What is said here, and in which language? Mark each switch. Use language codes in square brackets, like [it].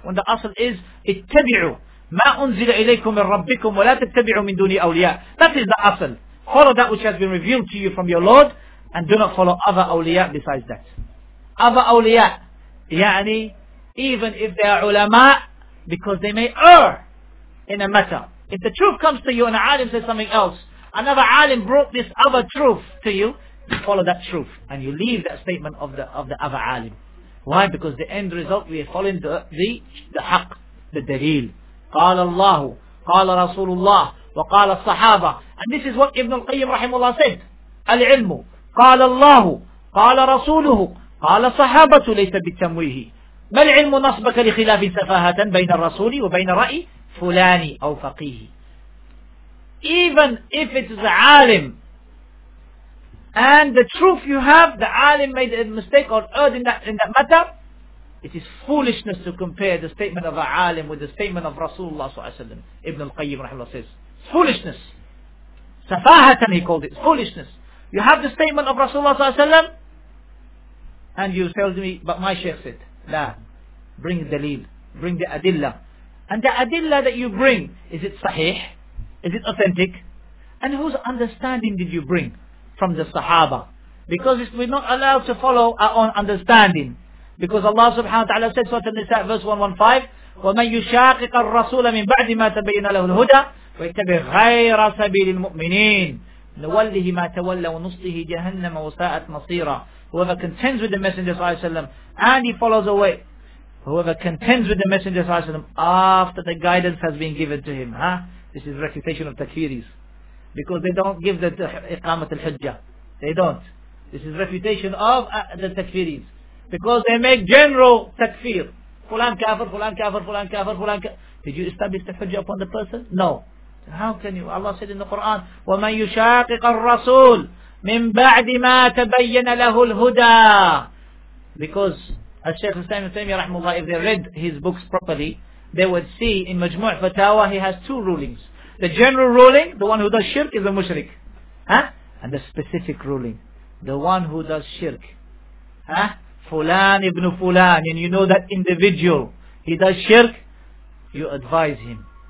[en] When the asl is, [ar] اتبعوا ما أنزل إليكم من ربكم ولا تتبعوا من دون أولياء. [en] That is the asl. Follow that which has been revealed to you from your Lord and do not follow other awliya besides that. Other awliya, يعني, even if they are ulama, because they may err in a matter. If the truth comes to you and an alim says something else, another alim brought this other truth to you, follow that truth. And you leave that statement of the other alim. Why? Because the end result, we are following the haqq, the dalil. [ar] قال الله, قال رسول الله, وقال الصحابة. [en] And this is what Ibn al-Qayyim rahimullah said. [ar] العلم, قال الله, قال رسوله, قال الصحابة ليس بالتمويه. ما العلم نصبك لخلاف سفاهة بين الرسول وبين رأي فلاني أو فقيه. [en] Even if it is a alim, and the truth you have, the alim made a mistake or erred in that matter, it is foolishness to compare the statement of a alim with the statement of Rasulullah sallallahu alaihi wasallam. Ibn al-Qayyim rahimahullah says, it's foolishness. Safahatan he called it, it's foolishness. You have the statement of Rasulullah sallallahu alaihi wasallam, and you tell me, but my sheikh said, la, bring the dalil, bring the adillah. And the adillah that you bring, is it sahih? Is it authentic? And whose understanding did you bring? From the Sahaba. Because if we're not allowed to follow our own understanding. Because Allah subhanahu wa ta'ala said, Surah An-Nisa, verse 115, [ar] وَمَنْ يُشَاقِقَ الرَّسُولَ مِنْ بَعْدِ مَا تَبَيْنَ لَهُ الْهُدَى وَيَتَّبِعْ غَيْرَ سَبِيلِ الْمُؤْمِنِينَ نُوَلِّهِ مَا تَوَلَّ وَنُصْلِهِ جَهَنَّمَ وَسَاءَتْ مَصِيرًا. [en] Whoever contends with the Messenger sallallahu alayhi wa sallam, and he follows away. Whoever contends with the Messenger sallallahu alayhi wa sallam, after the guidance has been given to him. Huh? This is recitation of takfiris. Because they don't give the Iqamat al-Hujjah. They don't. This is refutation of the takfiris. Because they make general takfir. Fulan kafir, fulan kafir, fulan kafir, fulan kafir. Did you establish the Hujjah upon the person? No. How can you? Allah said in the Quran, [ar] وَمَنْ يُشَاقِقَ الرَّسُولِ مِنْ بَعْدِ مَا تَبَيَّنَ لَهُ الْهُدَىٰ. [en] Because As Shaykh Hussain Uthaymeen rahimahullah, if they read his books properly, they would see in Majmu' Fatawa he has two rulings. The general ruling, the one who does shirk is a mushrik. Huh? And the specific ruling, the one who does shirk. Huh? Fulan ibn Fulan, and you know that individual, he does shirk, you advise him.